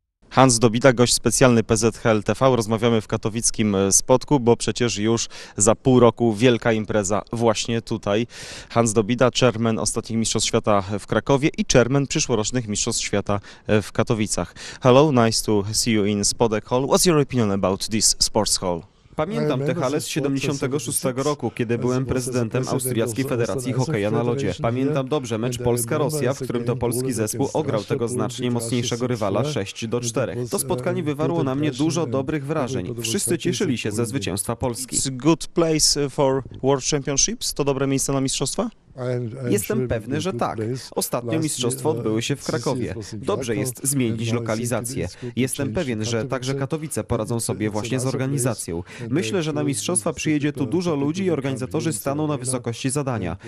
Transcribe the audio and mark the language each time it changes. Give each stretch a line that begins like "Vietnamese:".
Polish: Hans Dobida, gość specjalny PZHL TV. Rozmawiamy w katowickim spotku, bo przecież już za pół roku wielka impreza właśnie tutaj. Hans Dobida, chairman ostatnich Mistrzostw Świata w Krakowie i chairman przyszłorocznych Mistrzostw Świata w Katowicach.
English: Hello, nice to see you in Spodek Hall. What's your opinion about this sports hall?
Polish: Pamiętam te hale z 1976 roku, kiedy byłem prezydentem Austriackiej Federacji Hokeja na Lodzie. Pamiętam dobrze mecz Polska-Rosja, w którym to polski zespół ograł tego znacznie mocniejszego rywala 6-4. To spotkanie wywarło na mnie dużo dobrych wrażeń. Wszyscy cieszyli się ze zwycięstwa Polski.
English: It's good place for World Championships?
Polish: To dobre miejsce na mistrzostwa? Jestem pewny, że tak. Ostatnio mistrzostwo odbyły się w Krakowie. Dobrze jest zmienić lokalizację. Jestem pewien, że także Katowice poradzą sobie właśnie z organizacją. Myślę, że na mistrzostwa przyjedzie tu dużo ludzi i organizatorzy staną na wysokości zadania.